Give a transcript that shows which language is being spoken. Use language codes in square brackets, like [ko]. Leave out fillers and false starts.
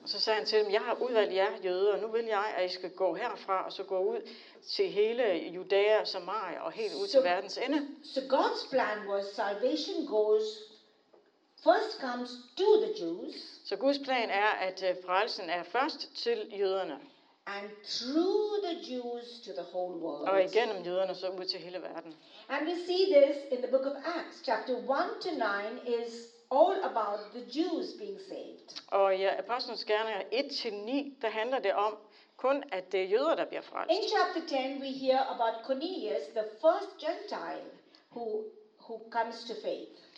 [da] Så sagde han til dem, jeg har udvalgt jer jøder, og nu vil jeg, at I skal gå herfra og så gå ud til hele Judæa, Samaria og helt ud til verdens ende. [en] So God's plan was salvation goes first comes to the Jews. [da] Så Guds plan er, at frelsen er først til jøderne. [en] And through the Jews to the whole world. [da] Og igennem jøderne så ud til hele verden. [en] And we see this in the book of Acts, chapter 1-9 is all about the Jews being saved. [da] Og i Apostlenes Gerninger 1-9, der handler det om kun at det er jøder der bliver frelst. [en] In chapter 10 we hear about Cornelius, the first Gentile who comes to faith.